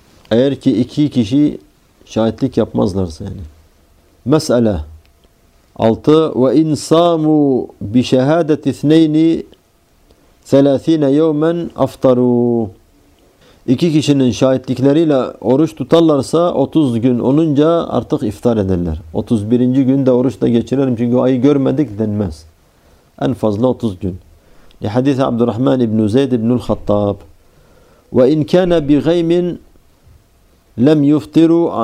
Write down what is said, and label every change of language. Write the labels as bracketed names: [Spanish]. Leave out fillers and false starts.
[Turkish] Eğer ki iki kişi şahitlik yapmazlarsa yani. [Arabic] Mesela 6 وَاِنْ صَامُوا بِشَهَادَةِ اثْنَيْنِ 30 يَوْمًا اَفْطَرُوا. [Turkish] İki kişinin şahitlikleriyle oruç tutarlarsa 30 gün olunca artık iftar ederler. 31. günde oruç da geçirelim çünkü ayı görmedik denmez. En fazla 30 gün. [Arabic] لِحَدِثَ عَبْدُ الرَّحْمَنِ بْنُ زَيْدِ بْنُ الْخَطَّابِ وَاِنْ كَانَ بِغَيْمٍ لَمْ يُفْطِرُوا.